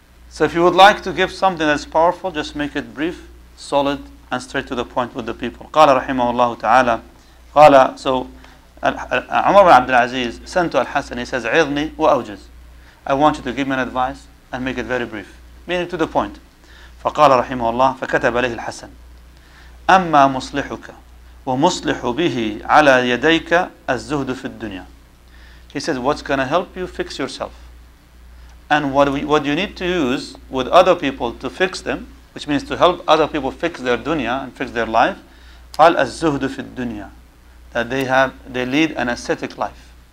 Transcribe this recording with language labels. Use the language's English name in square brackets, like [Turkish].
[English] So if you would like to give something that's powerful, just make it brief, solid, and straight to the point with the people. [Arabic] قَالَ رَحِمَهُ اللَّهُ تَعَالَى. [English] قَالَ, so Umar ibn Abdul Aziz sent to Al-Hasan, he says, [Arabic] عِذْنِي وَأَوْجِزْ. [English] I want you to give me an advice and make it very brief, meaning to the point. [Arabic] فقال رحمه الله فكتب عليه الحسن أما مصلحك ومصلح به على يديك الزهد في الدنيا. [English] He says, what's going to help you fix yourself, and what you need to use with other people to fix them, which means to help other people fix their dunya and fix their life. [Arabic] قال الزهد في الدنيا, [English] that they lead an ascetic life.